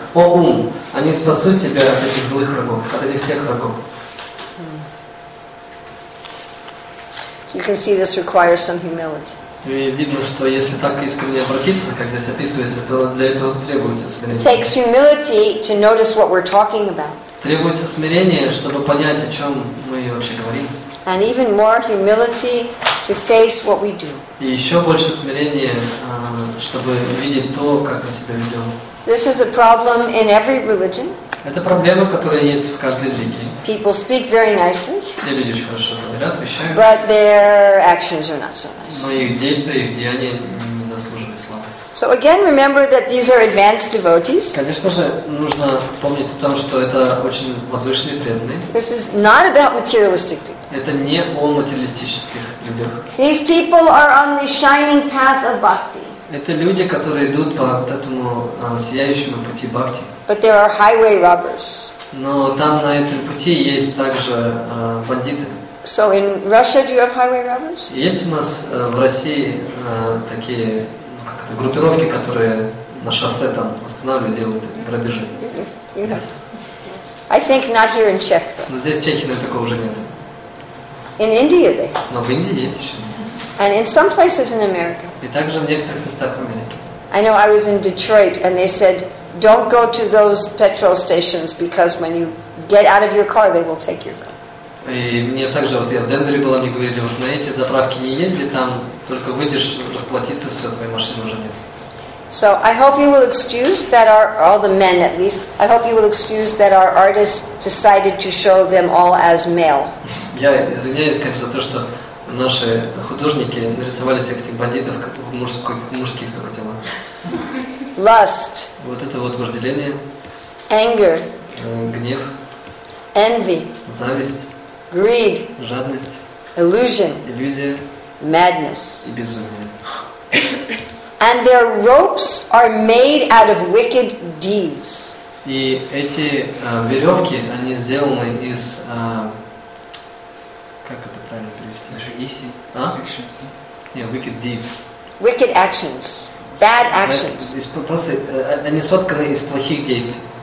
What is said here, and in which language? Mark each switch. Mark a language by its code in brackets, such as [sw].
[ru] О ум, они спасут тебя от этих злых врагов, от этих всех врагов. [en] You can see this requires some humility. [ru] Видно, что если так искренне обратиться, как здесь описывается, то для этого требуется смирение. [en] It takes humility to notice what we're talking about. [ru] Требуется смирение, чтобы понять, о чем мы вообще говорим. [en] And even more humility to face what we do. [ru] И еще больше смирения, чтобы видеть то, как мы себя ведем. [en] This is a problem in every religion. [ru] Это проблема, которая есть в каждой религии. [en] People speak very nicely. [ru] Все люди очень хорошо говорят, вещают. [en] But their actions are not so nice. [ru] Но их действия, их деяния не заслужены славы. [en] So again, remember that these are advanced devotees. [ru] Конечно же, нужно помнить о том, что это очень возвышенные преданные. [en] This is not about materialistic people. [ru] Это не о материалистических людях. [en] These people are on the shining path of bhakti. [ru] Это люди, которые идут по вот этому сияющему пути бхакти. [en] But there are highway robbers. [ru] Но там на этом пути есть также бандиты. [en] So in Russia do you have highway robbers? [ru] Есть у нас в России такие группировки, которые на шоссе там останавливают, делают грабежи. [en] Yes. I think not here in Czech. [ru] Но здесь в Чехии такого уже нет. [en] In India they. [ru] Но в Индии есть еще. [en] And in some places in America. [ru] И также в некоторых местах в Америке. [en] I know I was in Detroit and they said, don't go to those petrol stations because when you get out of your car, they will take your car. [ru] И мне также вот я в Денвере была, мне говорили, вот на эти заправки не езди, там только выйдешь расплатиться, все, твоей машины уже нет. [en] So I hope you will excuse that all the men at least. I hope you will excuse that our artists decided to show them all as male. [ru] Я извиняюсь, конечно, за то, что наши художники нарисовали всех этих бандитов как мужских только телах. [en] Lust. [ru] Вот это вот вожделение. [en] Anger. [ru] Гнев. [en] Envy. [ru] Зависть. [en] Greed. [ru] Жадность. [en] Illusion. [ru] Иллюзия. [en] Madness. [ru] И безумие. [en] And their ropes are made out of wicked deeds. [ru] И эти веревки, они сделаны из как это правильно перевести? Истин? А? [en] Actions. [ru] Нет, [en] wicked deeds. Wicked actions. Bad actions. [ru] Они сотканы из плохих действий.